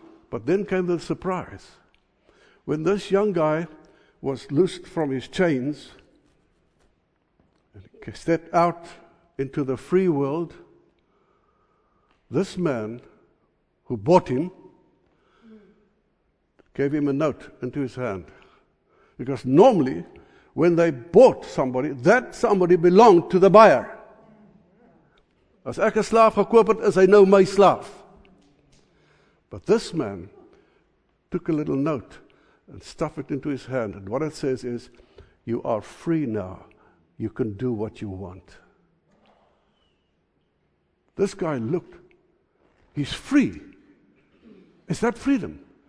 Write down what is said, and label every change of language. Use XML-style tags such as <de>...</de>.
<en>But then came the surprise. When this young guy was loosed from his chains and stepped out into the free world, this man who bought him gave him a note into his hand. Because normally, when they bought somebody, that somebody belonged to the buyer.</en> <af>As ek 'n slaaf gekoop het, is hy nou my slaaf.</af> <en>But this man took a little note and stuffed it into his hand. And what it says is, you are free now. You can do what you want. This guy looked. He's free. Is that freedom?</en>